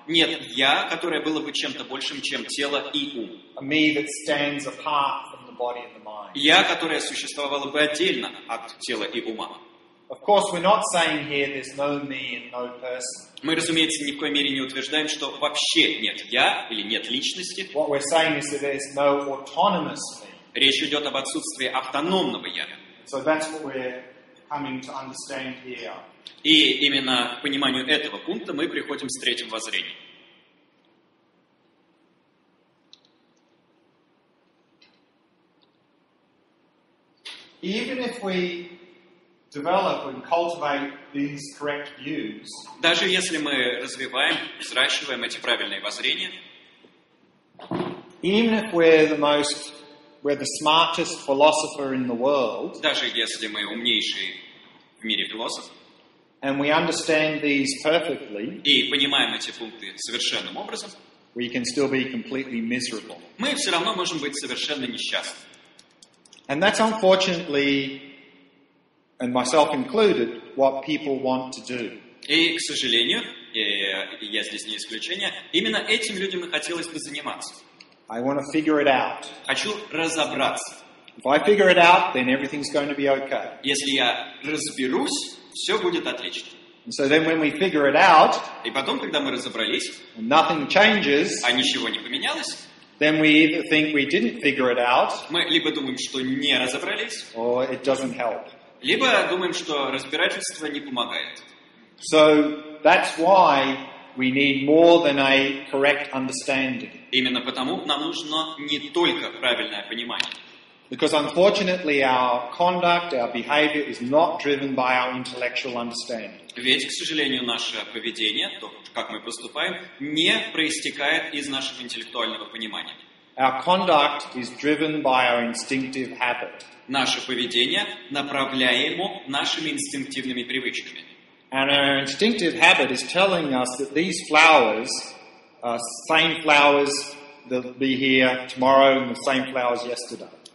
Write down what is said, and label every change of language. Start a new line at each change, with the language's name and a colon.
Russian: Нет я, которое было бы чем-то большим, чем тело и ум.
English: A me that stands apart from the body and the mind.
Russian: Я, которое существовало бы отдельно от тела и ума.
English: Of course, we're not saying here there's no me and no person.
Russian: Мы, разумеется, ни в коей мере не утверждаем, что вообще нет я или нет личности.
English: What we're saying is that there's no autonomous me.
Russian: Речь идет об отсутствии автономного я.
English: So that's what we're coming to understand here.
Russian: И именно к пониманию этого пункта мы приходим с третьим воззрением.
English: Even if we develop and cultivate these correct views.
Russian: Даже если мы развиваем, взращиваем эти правильные воззрения,
English: even if we're the smartest philosopher in the world,
Russian: даже если мы умнейший в мире философ,
English: and we understand these perfectly,
Russian: и понимаем эти пункты совершенным образом,
English: we can still be completely miserable.
Russian: Мы все равно можем быть совершенно несчастны.
English: And that's unfortunately and myself included, what people want to do.
Russian: И, к сожалению, я здесь не исключение, именно этим людям и хотелось бы заниматься.
English: I want to figure it out.
Russian: Хочу разобраться.
English: If I figure it out, then everything's going to be okay.
Russian: Если я разберусь, все будет отлично.
English: And so then when we figure it out,
Russian: и потом, когда мы разобрались,
English: and nothing changes,
Russian: а ничего не поменялось,
English: then we either think we didn't figure it out,
Russian: мы либо думаем, что не разобрались,
English: or it doesn't help.
Russian: Либо думаем, что разбирательство не помогает.
English: So that's why we need more than a correct understanding.
Russian: Именно потому нам нужно не только правильное понимание.
English: Because unfortunately our conduct, our behavior is not driven by our intellectual understanding.
Russian: Ведь, к сожалению, наше поведение, то, как мы поступаем, не проистекает из нашего интеллектуального понимания.
English: Our conduct is driven by our instinctive habit.
Russian: Наше поведение направляемо нашими инстинктивными привычками.
English: And our instinctive habit is telling us that these flowers are same flowers that'll be here tomorrow and the same flowers yesterday.